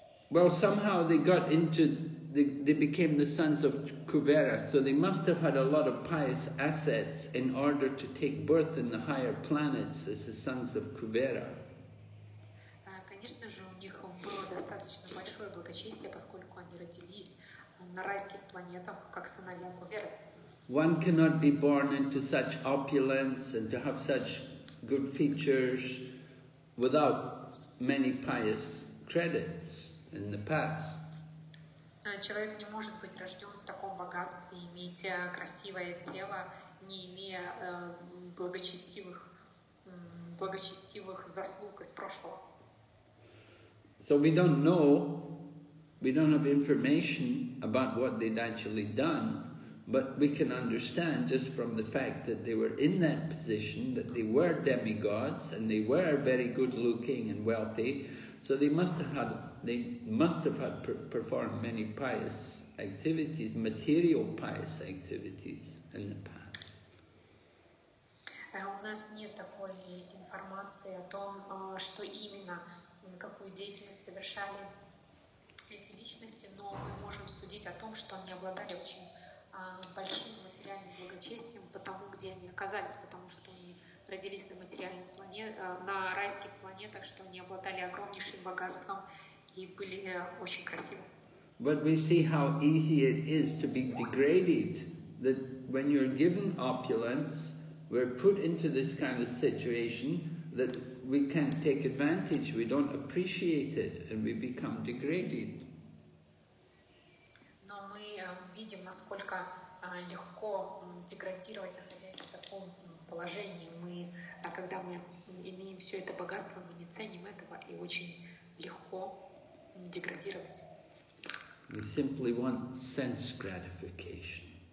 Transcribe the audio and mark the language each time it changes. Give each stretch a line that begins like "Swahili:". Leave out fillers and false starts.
English: Well, somehow they got into they became the sons of Kuvera, so they must have had a lot of pious assets in order to take birth in the higher planets as the sons of Kuvera.
Russian: Конечно же, у них было достаточно большое благочестие, поскольку они родились на райских планетах, как сыновья Куверы.
English: One cannot be born into such opulence and to have such good features without many pious credits in the past.
Russian: Человек не может быть рожден в таком богатстве, иметь красивое тело, не имея благочестивых заслуг из прошлого.
English: So we don't know. We don't have information about what they'd actually done, but we can understand just from the fact that they were in that position, that they were demigods and they were very good looking and wealthy, so they must have had performed many pious activities, material pious activities in the past.
Russian: У нас нет такой информации о том, что именно, какую деятельность совершали эти личности, но мы можем судить о том, что они обладали очень большим материальным благочестием по тому, где они оказались, потому что они родились на материальных планетах, на райских планетах, что они обладали огромнейшим богатством и были очень красивы.
English: But we see how easy it is to be degraded, that when you're given opulence, we're put into this kind of situation that we can't take advantage, we don't appreciate it, and we become degraded.
Russian: Но мы видим, насколько легко деградировать, находясь в таком положении. Мы, когда мы имеем все это богатство, мы не ценим этого, и очень легко деградировать.
English: We simply want sense gratification.